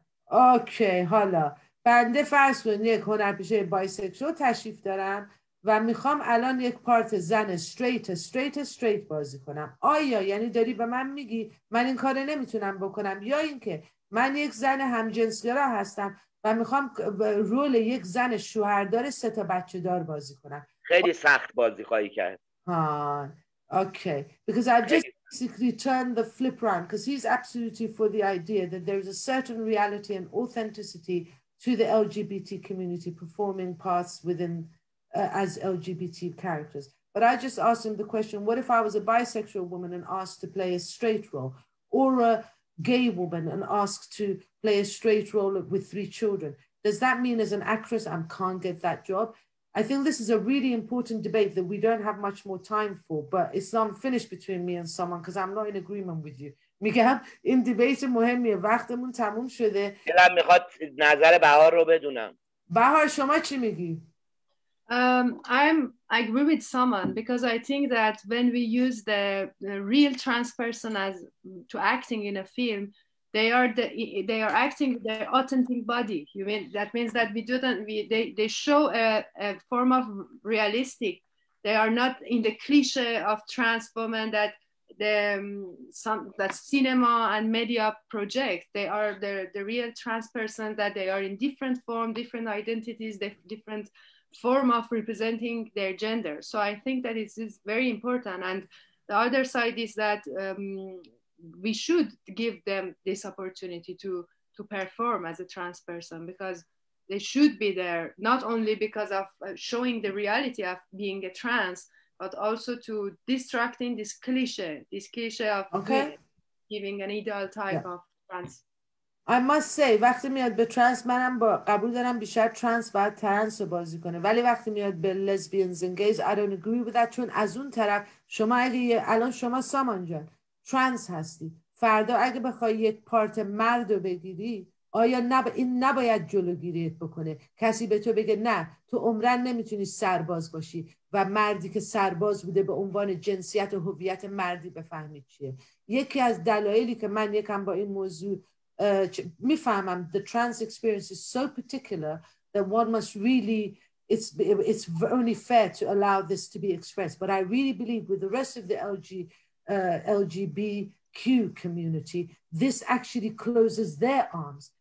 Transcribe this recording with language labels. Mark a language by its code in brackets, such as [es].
[fa] اوکی, حالا بنده فرض کنید یک هنرپیشه بایسکشوال تشریف دارم و میخوام الان یک پارت زن استریت بازی کنم, آیا یعنی داری به من میگی من این کاره نمیتونم بکنم, یا اینکه من یک زن همجنسگرا هستم و میخوام رول یک زن شوهردار سه تا بچه دار بازی کنم؟ خیلی سخت بازی خواهی کرد. [en] Okay, because I've just basically turned the flip around, because he's absolutely for the idea that there is a certain reality and authenticity to the LGBT community performing parts within as LGBT characters. But I just asked him the question, what if I was a bisexual woman and asked to play a straight role, or a gay woman and asked to play a straight role with three children? Does that mean as an actress I can't get that job? I think this is a really important debate that we don't have much more time for, but it's not finished between me and someone because I'm not in agreement with you. [fa] میگم این دیبیت مهمیه, وقتمون تموم شده. دلم میخواد نظر بهار رو بدونم. بهار شما چی میگی؟ [en] I agree with Saman, because I think that when we use the real trans person as to acting in a film, they are acting their authentic body. You mean that means that they show a form of realistic. They are not in the cliche of trans women that that cinema and media project. They are the real trans person, that they are in different form, different identities, different form of representing their gender. So I think that it is very important. And the other side is that we should give them this opportunity to perform as a trans person, because they should be there, not only because of showing the reality of being a trans, but also to distracting this cliche of giving an ideal type of trans. I must say, [fa] وقتی میاد به ترنس, منم با قبول دارم بیشتر ترنس باید ترنس رو بازی کنه, ولی وقتی میاد به [en] lesbians and gays, I don't agree with that. [fa] چون از اون طرف شما اگه الان شما سامان جان ترنس هستی, فردا اگه بخوای یک پارت مرد رو بگیری, آیا نب... این نباید جلوگیریت بکنه؟ کسی به تو بگه نه تو عمرن نمیتونی سرباز باشی و مردی که سرباز بوده به عنوان جنسیت و هویت مردی بفهمی چیه. یکی از دلایلی که من یکم با این موضوع میفهمم [en] the trans experience is so particular that one must really it's only fair to allow this to be expressed, but I really believe with the rest of the LGBTQ community this actually closes their arms.